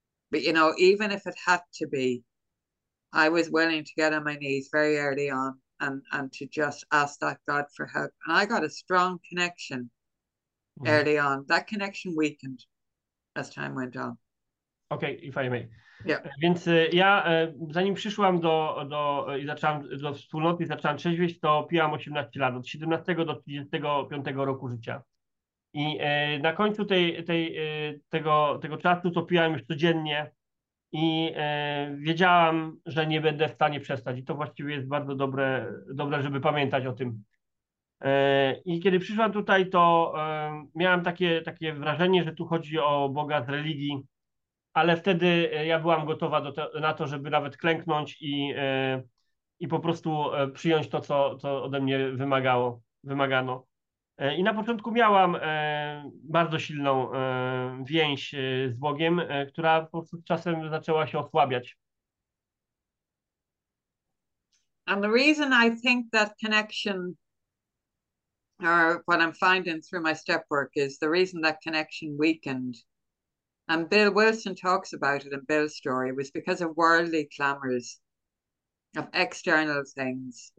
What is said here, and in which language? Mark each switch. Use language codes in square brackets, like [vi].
[en] But, you know, even if it had to be, I was willing to get on my knees very early on and to just ask that God for help. And I got a strong connection early on. That connection weakened as time went on. Okay, if I may. Yeah. [pl] Więc ja, zanim przyszłam i zacząłem do wspólnoty, zacząłem trzeźwieć, to piłam 18 lat, od 17 do 35 roku życia. I na końcu tego czasu to piłem już codziennie i wiedziałam, że nie będę w stanie przestać. I to właściwie jest bardzo dobre, żeby pamiętać o tym. I kiedy przyszłam tutaj, to miałam takie wrażenie, że tu chodzi o Boga z religii, ale wtedy ja byłam gotowa na to, żeby nawet klęknąć i po prostu przyjąć to, co ode mnie wymagano. I na początku miałam bardzo silną więź z Bogiem, która po prostu z czasem zaczęła się osłabiać. [en] And the reason I think that connection, or what I'm finding through my step work, is the reason that connection weakened, and Bill Wilson talks about it in Bill's story, was because of worldly clamors, of external things.